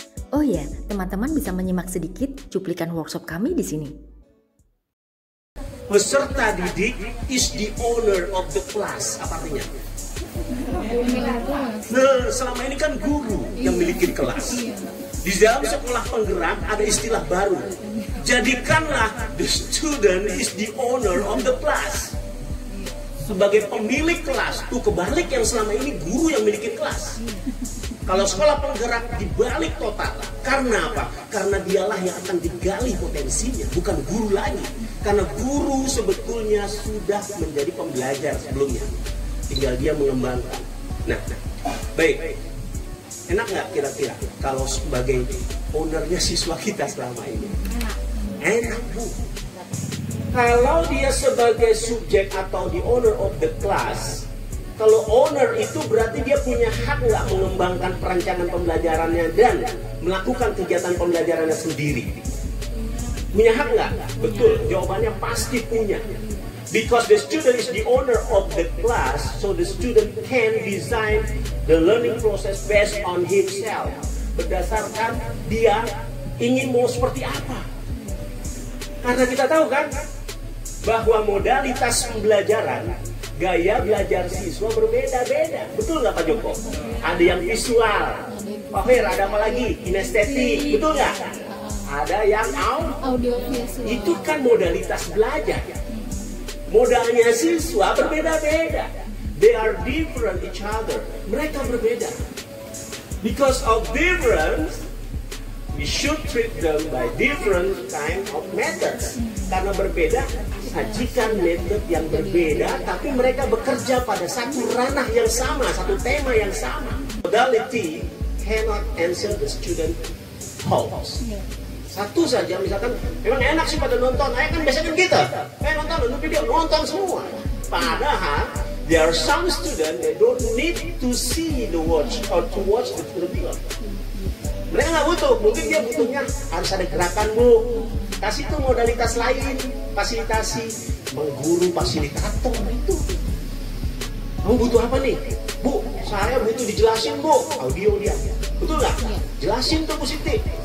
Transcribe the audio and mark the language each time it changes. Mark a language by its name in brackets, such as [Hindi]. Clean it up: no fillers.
[Indonesian] Oh ya, teman-teman bisa menyimak sedikit cuplikan workshop kami di sini. Peserta didik [English] is the owner of the class, [Indonesian] apa artinya? Nah, selama ini kan guru yang milikin kelas. Di dalam sekolah penggerak ada istilah baru. Jadikanlah [English] the student is the owner of the class. [Indonesian] Sebagai pemilik kelas, tuh kebalik yang selama ini guru yang milikin kelas. Kalau sekolah penggerak dibalik total, karena apa? Karena dialah yang akan digali potensinya, bukan guru lagi. Karena guru sebetulnya sudah menjadi pembelajar sebelumnya. Tinggal dia mengembangkan. Nah, baik. Enak nggak kira-kira kalau sebagai ownernya siswa kita selama ini? Enak, Bu. Kalau dia sebagai subjek atau [English] the owner of the class, [Indonesian] kalau owner itu berarti dia punya hak nggak mengembangkan perancangan pembelajarannya dan melakukan kegiatan pembelajarannya sendiri? Punya hak nggak? Betul, jawabannya pasti punya. [English] Because the student is the owner of the class, so the student can design the learning process based on himself. [Indonesian] Berdasarkan dia ingin mau seperti apa. Karena kita tahu kan, bahwa modalitas pembelajaran, gaya belajar siswa berbeda-beda. Betul nggak Pak Joko? Ada yang visual. Pak Fer, ada apa lagi? Kinestetik. Betul nggak? Ada yang audio. Itu kan modalitas belajar. Modalnya siswa berbeda-beda. [English] They are different each other. [Indonesian] Mereka berbeda. [English] Because of difference, we should treat them by different kind of methods. [Indonesian] Karena berbeda, sajikan metode yang berbeda, tapi mereka bekerja pada satu ranah yang sama, satu tema yang sama. [English] Modality cannot answer the student hopes. [Indonesian] Satu saja, misalkan, memang enak sih pada nonton, ayah kan biasanya gitu. Eh, nonton, nonton video, nonton semua. Padahal, [English] there are some students, they don't need to see the watch or to watch the video. [Indonesian] Mereka nggak butuh, mungkin dia butuhnya harus ada gerakanmu. Kasih tuh modalitas lain, fasilitasi, mengguru, fasilitator, itu. Kamu butuh apa nih? Bu, saya butuh dijelasin, Bu, audio dia. Betul nggak? Jelasin tuh, Bu Siti.